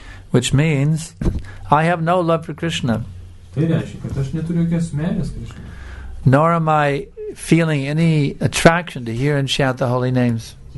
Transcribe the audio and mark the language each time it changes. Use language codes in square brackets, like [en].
[en] Which means, I have no love for Krishna. [lt] Tai reiškia, kad aš neturiu jokios meilės Krishna. [en] Nor am I feeling any attraction to hear and shout the holy names.